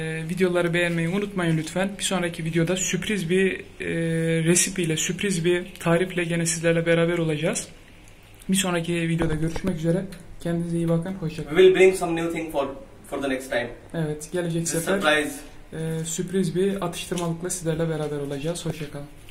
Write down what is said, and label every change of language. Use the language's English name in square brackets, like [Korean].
[Turkish] Videoları beğenmeyi unutmayın lütfen. Bir sonraki videoda sürpriz bir resipiyle, sürpriz bir tarifle gene sizlerle beraber olacağız. Bir sonraki videoda görüşmek üzere. Kendinize iyi bakın. Hoşçakalın. [English] We will bring some new thing for the next time. [Turkish] Evet, gelecek sefer. [English] Surprise. [Turkish] Sürpriz bir atıştırmalıkla sizlerle beraber olacağız. Hoşçakalın.